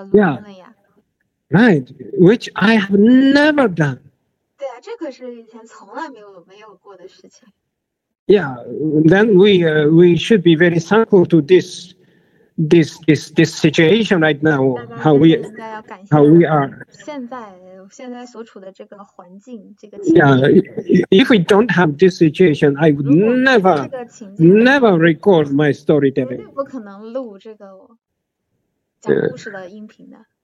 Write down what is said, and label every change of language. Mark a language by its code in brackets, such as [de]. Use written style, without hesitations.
[zh] 对于来说，大家手上已经有老师讲故事的那个录音了呀。Right, [en] which I have never done. [zh] 对啊，这可是以前从来没有过的事情。 [en] Yeah, then we should be very thankful to this situation right now. How we are. [zh] 现在所处的这个环境，这个情况。 [en] Yeah, if we don't have this situation, I would never record my storytelling. [zh] 绝对不可能录这个讲故事的音频的。